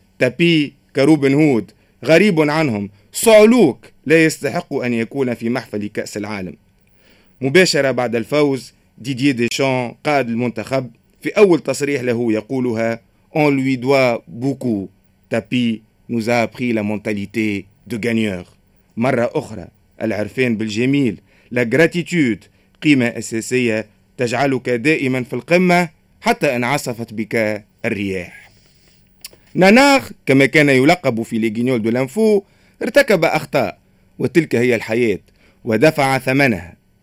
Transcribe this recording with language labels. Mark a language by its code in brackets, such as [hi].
[ar] تابي كروبن هود غريب عنهم، صعلوك لا يستحق أن يكون في محفل كأس العالم. مباشرة بعد الفوز ديدي ديشان قائد المنتخب في أول تصريح له يقولها: [fr] On lui doit beaucoup. تابي nous a appris la mentalité de gagneur. [ar] مرة أخرى العرفان بالجميل، لا جراتيتود، قيمة أساسية تجعلك دائما في القمة حتى إن عصفت بك الرياح. ناناخ كما كان يلقب في ليغينيول دو لانفو ارتكب أخطاء، وتلك هي الحياة، ودفع ثمنها.